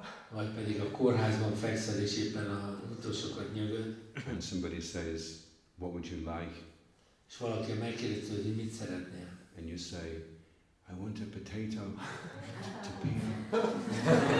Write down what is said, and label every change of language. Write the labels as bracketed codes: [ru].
[hu] Vagy pedig a kórházban fekszel és éppen a utolsókat nyögöd. [en] And somebody says, what would you like? [hu] És valaki megkérdezi, hogy mit szeretnél. [en] And you say, I want a potato to be.